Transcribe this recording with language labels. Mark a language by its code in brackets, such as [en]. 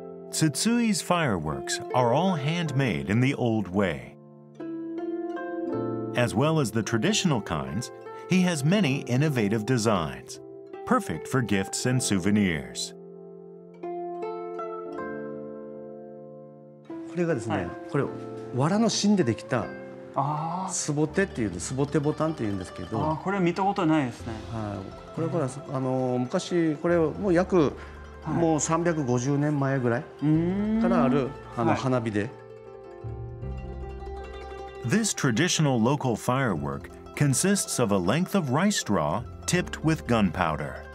[en] Tsutsui's fireworks are all handmade in the old way. As well as the traditional kinds, he has many innovative designs, perfect for gifts and souvenirs. [ja] これがですね、これ藁の芯でできた。 [en] This traditional local firework consists of a length of rice straw tipped with gunpowder.